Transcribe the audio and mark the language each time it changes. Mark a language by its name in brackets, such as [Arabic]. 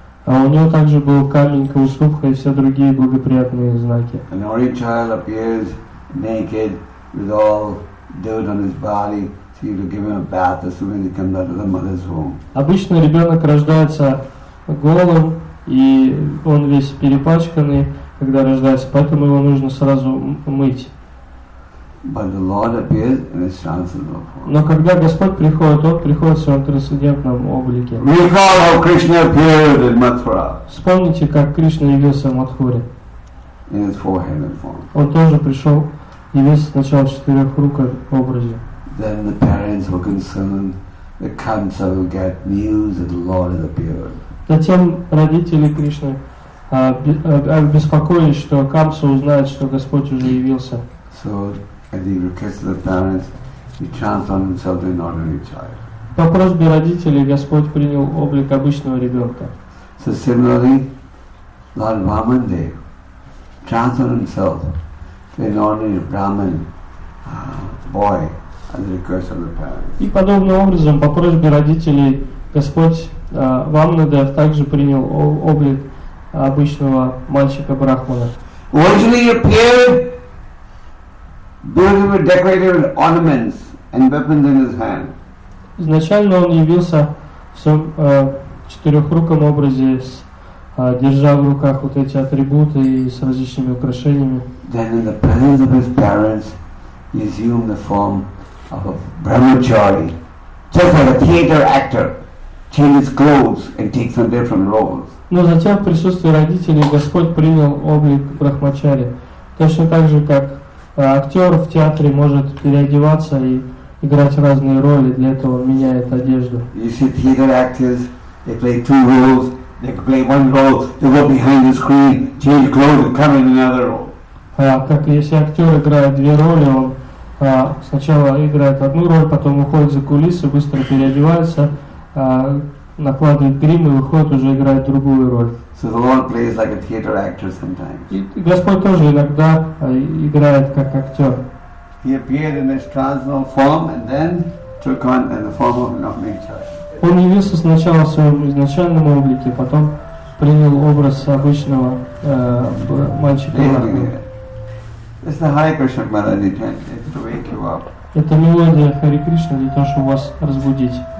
[Russian] А у него также был камень Каустубха и все другие благоприятные знаки. [English] An orange child appears naked with all dirt on his body. So you give him a bath as soon as he comes out of the mother's womb. [Russian] Обычно ребенок рождается голым, и он весь перепачканный, когда рождается, поэтому его нужно сразу мыть. [English] But the Lord appears in His transcendental form. [Russian] Но когда Господь приходит, Он приходит в своем трансцендентном облике. [English] Recall how Krishna appeared in Mathura. [Russian] Вспомните, как Кришна явился в Матхуре. [English] In His four-handed form. [Russian] Он тоже пришел и весь сначала в четырех руках образе. [English] Then the parents were concerned. The Kamsa will get news that the Lord has appeared. [Russian] Затем родители Кришны обеспокоились, что Камса узнает, что Господь уже явился. [English] So, at the request of the parents, he transformed himself into an ordinary child. [Russian] По просьбе родителей Господь принял облик обычного ребенка. [English] So similarly, Lord Vamandev transformed himself into an ordinary Brahmin boy at the request of the parents. [Russian] И подобным образом, по просьбе родителей, Господь Вамандев также принял облик обычного мальчика брахмана. [English] Originally he appeared beautifully decorated with ornaments and weapons in his hand. [Russian] Изначально он явился в своем четырехруком образе, держа в руках вот эти атрибуты и с различными украшениями. [English] Then in the presence of his parents, he assumed the form of a brahmachari, just like a theater actor. Change his clothes and take some different roles. [Russian] Но затем в присутствии родителей Господь принял облик брахмачари, точно так же как актер в театре может переодеваться и играть разные роли. Для этого он меняет одежду. [English] You see, theater actors, they play two roles. They can play one role. They go behind the screen, change clothes, and come in another role. [Russian] Как если актер играет две роли, он сначала играет одну роль, потом уходит за кулисы, быстро переодевается. Накладывает грим и выходит, уже играет другую роль. [English] So the Lord plays like a theater actor sometimes. [Russian] И Господь тоже иногда играет как актер. [English] He appeared in his transcendental form and then took on in the form of nature. [Russian] Он явился сначала в своем изначальном облике, потом принял образ обычного мальчика. [English] It's the Hare Krishna melody to wake you up. [Russian] Это мелодия Хари Кришна для того, чтобы вас разбудить.